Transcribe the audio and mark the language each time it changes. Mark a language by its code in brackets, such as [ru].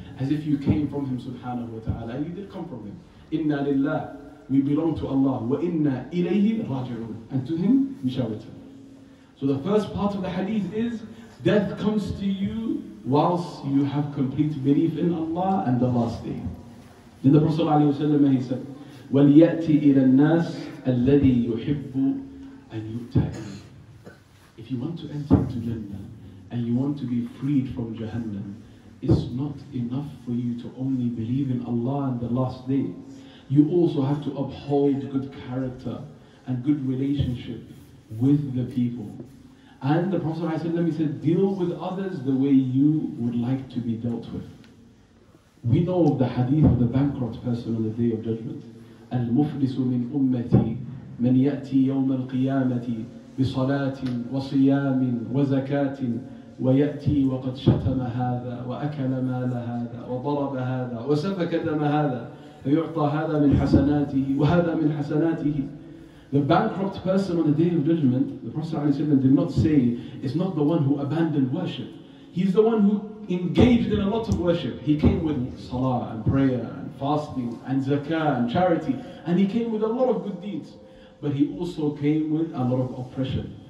[en] As if you came from Him subhanahu wa ta'ala. And you did come from Him. [ar] إِنَّا لِلَّهِ [en] We belong to Allah. [ar] وَإِنَّا إِلَيْهِ رَاجِعُونَ [en] And to Him, we shall return. So the first part of the hadith is, Death comes to you whilst you have complete belief in Allah and the last day. Then the Prophet ﷺ, he said, [ar] وَلْيَأْتِ إِلَى النَّاسِ الَّذِي يُحِبُّ أَنْ يُتَعِي. [en] If you want to enter into Jannah and you want to be freed from Jahannam, it's not enough for you to only believe in Allah and the last day. You also have to uphold good character and good relationship with the people. And the Prophet ﷺ, he said, deal with others the way you would like to be dealt with. We know of the hadith of the bankrupt person on the Day of Judgment. [ar] المفلس من أمتي من يأتي يوم القيامة بصلاة وصيام وزكاة ويأتي وقد شتم هذا وأكل مال هذا وضرب هذا وسفك دم هذا فيعطى هذا من حسناته وهذا من حسناته. [en] The bankrupt person on the Day of Judgment, the Prophet ﷺ did not say, is not the one who abandoned worship. He's the one who engaged in a lot of worship. He came with salah and prayer and fasting and zakah and charity. And he came with a lot of good deeds. But he also came with a lot of oppression.